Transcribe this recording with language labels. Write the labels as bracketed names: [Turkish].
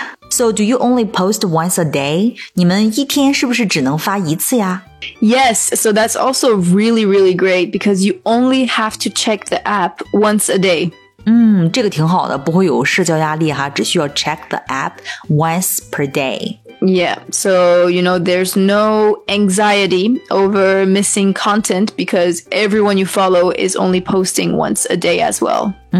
[English] So do you only post once a day? [Chinese] 你们一天是不是只能发一次呀？ [English] Yes, so that's also really, really great because you only have to check the app once a day. [Chinese] 这个挺好的，不会有社交压力哈，只需要 [English] check the app once per day. Yeah, so, you know, there's no anxiety over missing content because everyone you follow is only posting once a day as well.